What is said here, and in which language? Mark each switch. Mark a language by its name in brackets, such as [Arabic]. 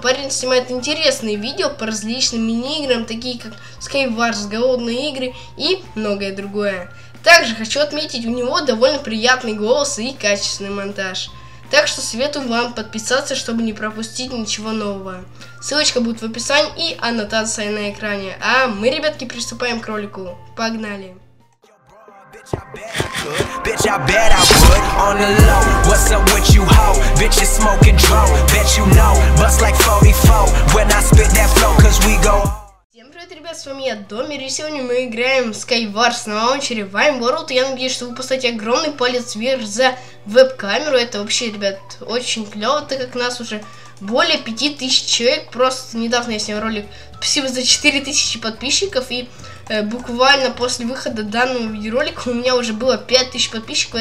[Russian] Парень снимает интересные видео по различным мини-играм, такие как Skywars, голодные игры и многое другое. Также хочу отметить, у него довольно приятный голос и качественный монтаж. Так что советую вам подписаться, чтобы не пропустить ничего нового. Ссылочка будет в описании и аннотация на экране. А мы, ребятки, приступаем к ролику. Погнали! [English] Bitch, I bet I put on the low. What's up with you, ho? Bitch, you smoking drone. Bet you know, bust like 44 when I spit that flow, cause we go. [Russian] Всем привет, ребят, с вами я, Домер, и сегодня мы играем в Skywars на лаунчере Vine World. Я надеюсь, что вы поставите огромный палец вверх за веб-камеру. Это вообще, ребят, очень клево, так как нас уже более 5000 человек. Просто недавно я снял ролик, спасибо за 4000 подписчиков, и буквально после выхода данного видеоролика у меня уже было 5000 подписчиков.